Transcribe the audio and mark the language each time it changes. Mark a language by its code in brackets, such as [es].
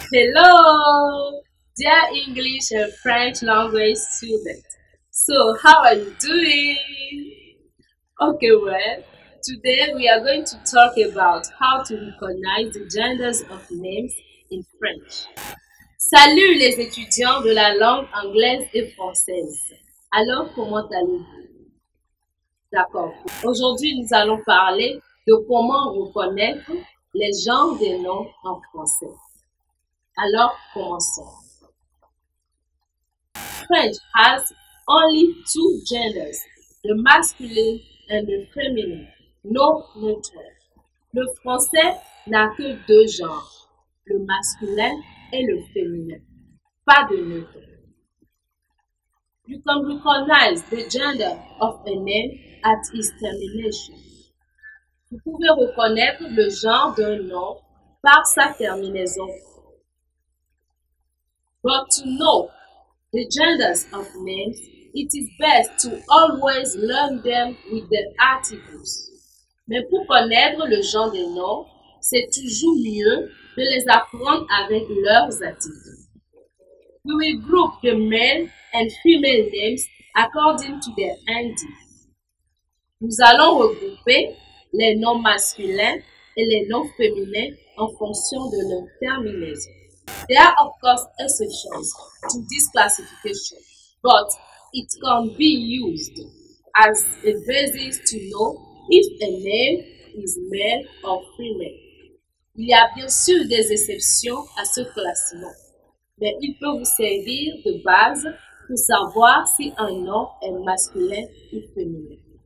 [en] Hello, dear English and French language students. So, how are you doing? Okay, well, today we are going to talk about how to recognize the genders of names in French. [fr] Salut les étudiants de la langue anglaise et française. Alors, comment allez-vous? D'accord. Aujourd'hui, nous allons parler de comment reconnaître les genres des noms en français. Alors, commençons. [en] French has only two genders, the masculine and the feminine, no neutral. [fr] Le français n'a que deux genres, le masculin et le féminin, pas de neutre. [en] You can recognize the gender of a name at its termination. [fr] Vous pouvez reconnaître le genre d'un nom par sa terminaison. [en] But to know the genders of names, it is best to always learn them with the articles. [fr] Mais pour connaître le genre des noms, c'est toujours mieux de les apprendre avec leurs articles. [en] We will group the male and female names according to their ending. [fr] Nous allons regrouper les noms masculins et les noms féminins en fonction de leur terminaison. [en] There are of course exceptions to this classification, but it can be used as a basis to know if a name is male or female. [fr] Il y a bien sûr des exceptions à ce classement, mais il peut vous servir de base pour savoir si un nom est masculin ou féminin.